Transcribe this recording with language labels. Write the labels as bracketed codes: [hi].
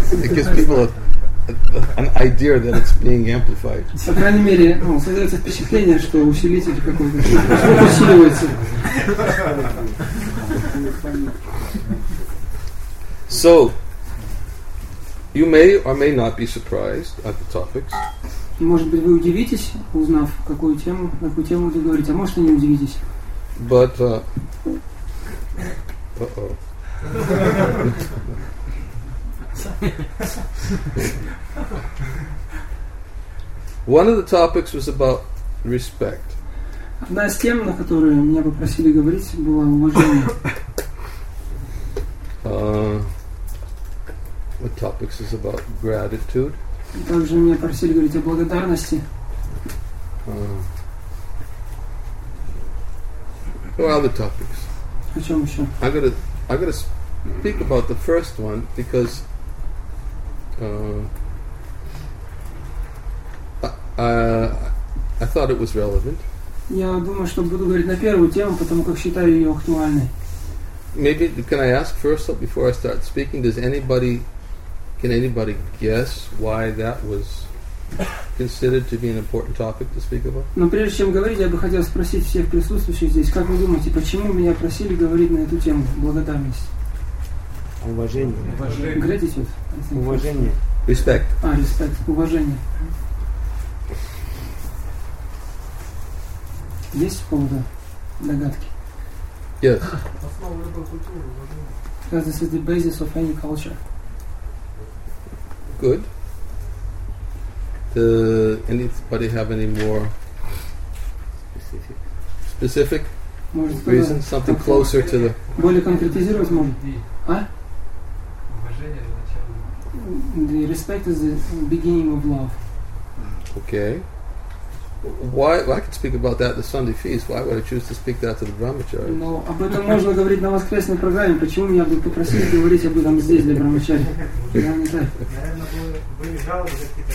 [en] It gives people an idea that it's being amplified. [ru] По крайней мере, создается впечатление, что усилитель какой-то усиливается. [en] So, you may or may not be surprised at the topics. [ru] Может быть, вы удивитесь, узнав, какую тему, на какую тему вы говорите, а может, и не удивитесь. [en] But, One of the topics was about respect. [ru] Одна из тем, на которую меня попросили говорить, была уважение. [en] What topics is about gratitude? [ru] Также меня просили говорить о благодарности. [en] What other topics? [ru] О чем еще? [en] I gotta speak about the first one because I thought it was relevant. [ru] Я думаю, что буду говорить на первую тему, потому как считаю ее актуальной. [en] Maybe can I ask first before I start speaking? Does anybody? Can anybody guess why that was considered to be an important topic to speak about? [ru] Но прежде чем говорить, я бы хотел спросить всех присутствующих здесь, как вы думаете, почему меня просили говорить на эту тему благодарность? Уважение. [en] Gratitude. [ru] Уважение. [en] Respect. [ru] А, [en] respect. [ru] Уважение. Есть повода догадки? [en] Yes. [ru] Основа любой культуры, уважение. [en] Because this is the basis of any culture. Good. Does anybody have any more specific reason? Something closer to the... [ru] Более конкретизировать можно? А? Уважение – начало. [en] The respect is the beginning of love. Okay. Why? Well, I could speak about that at the Sunday feast. Why would I choose to speak that to the Brahmacharis? [ru] Но об этом можно говорить на воскресной программе. Почему меня бы попросили говорить об этом здесь для Брахмачари? Я не знаю. Наверное, были жалобы какие-то